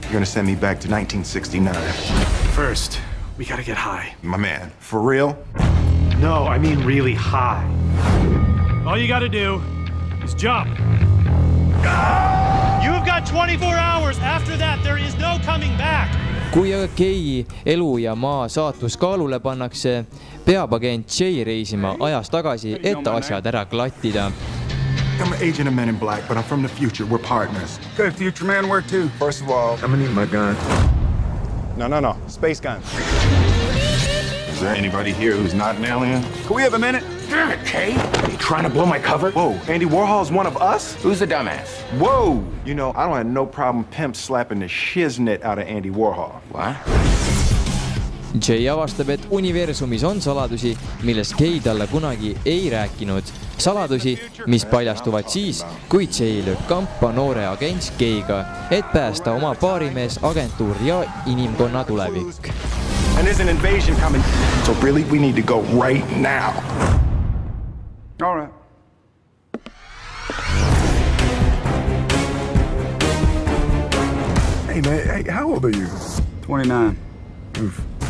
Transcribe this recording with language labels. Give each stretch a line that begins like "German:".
English: You're gonna send me back to 1969. First, we gotta get high. My man, for real? No, I mean really high. All you gotta do is jump. You've got 24 hours. After that, there is no coming back.
Estonian: Kui aga Kei elu ja maa saatus kaalule pannakse, peab agent Jay reisima ajas tagasi, et asjad ära klattida.
English: I'm an agent of Men in Black, but I'm from the future. We're partners. Good future man, where to? First of all, I'm gonna need my gun. No. Space gun. Is there anybody here who's not an alien? Can we have a minute? Damn it, Kay. Are you trying to blow my cover? Whoa, Andy Warhol's one of us? Who's the dumbass? Whoa! You know, I don't have no problem pimp slapping the shiznit out of Andy Warhol. What?
Estonian: Jay avastab, et universumis on saladusi, millest Kei talle kunagi ei rääkinud. Saladusi, mis paljastuvad siis, kui Jay lööb kampa noore agents Keiga, et päästa oma paarimees agentuur ja inimkonna tulevik.
English: And there's an invasion coming. So really, we need to go right now. All right. Hey, man, hey, how old are you? 29. Oof.